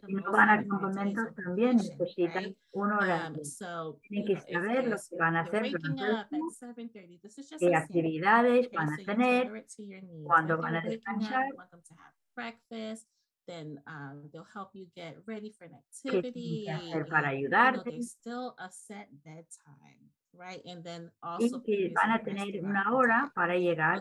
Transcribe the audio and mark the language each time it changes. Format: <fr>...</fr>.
<es>Si no van a campamentos también necesitan un horario.</es> <en>So,</en> <es>tienen que saber lo que van a hacer durante el día, qué actividades van a tener, cuándo van a descansar.</es> <en>Then they'll help you get ready for an activity.</en> <es>Para ayudarte.</es> <en>You know, there's still a set bedtime, right? And then also</en> <es>y que van a tener una hora para llegar</es>